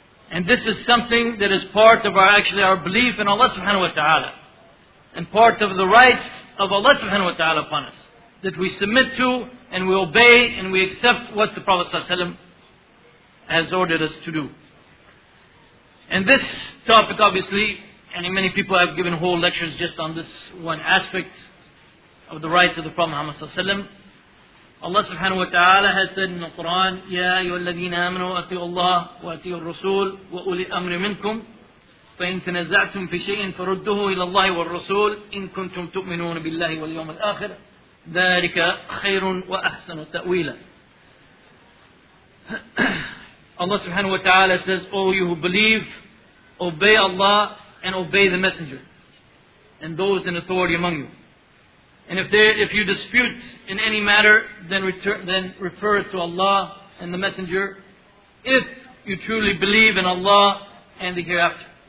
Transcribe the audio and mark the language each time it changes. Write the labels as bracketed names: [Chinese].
[English] And this is something that is part of our belief in Allah subhanahu wa ta'ala, and part of the rights of Allah subhanahu wa ta'ala upon us, that we submit to and we obey and we accept what the Prophet sallallahu alaihi wasallam has ordered us to do. And this topic, obviously, and many people have given whole lectures just on this one aspect of the rights of the Prophet Muhammad sallallahu alaihi wasallam. Allah subhanahu wa ta'ala has said in the Quran, [Arabic] يَا أَيُّهَا الَّذِينَ آمَنُوا أَطِيعُوا اللَّهَ وَأَطِيعُوا الرَّسُولَ وَأُولِي الْأَمْرِ مِنْكُمْ فَإِنْ تَنَزَعْتُمْ فِي شَيْءٍ فَرُدُّوهُ إِلَى اللَّهِ وَالرَّسُولِ إِنْ كُنْتُمْ تُؤْمِنُونَ بِاللَّهِ وَالْيَوْمِ الْآخِرِ ذَلِكَ خَيْرٌ وَأَحْسَنُ تَأْوِيلًا. [English] Allah subhanahu wa ta'ala says, O you who believe, obey Allah and obey the Messenger and those in authority among you. And if you dispute in any matter, then refer it to Allah and the Messenger, if you truly believe in Allah and the hereafter.